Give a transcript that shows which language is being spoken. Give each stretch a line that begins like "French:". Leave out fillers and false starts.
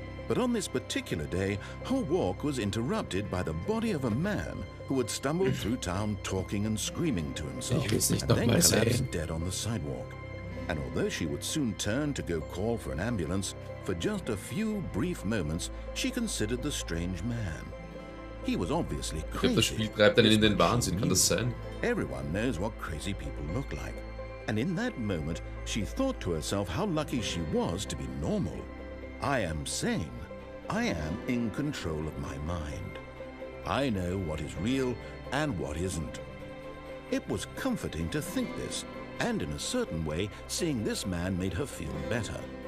English: But on this particular day, her walk was interrupted by the body of a man who had stumbled through town talking and screaming to himself and then collapsed dead on the sidewalk. And although she would soon turn to go call for an ambulance, for just a few brief moments, she considered the strange man. He was obviously crazy.
German: Das Spiel treibt einen in den Wahnsinn, kann das sein?
English: Everyone knows what crazy people look like. And in that moment, she thought to herself how lucky she was to be normal. I am sane. I am in control of my mind. I know what is real and what isn't. It was comforting to think this, and in a certain way, seeing this man made her feel better.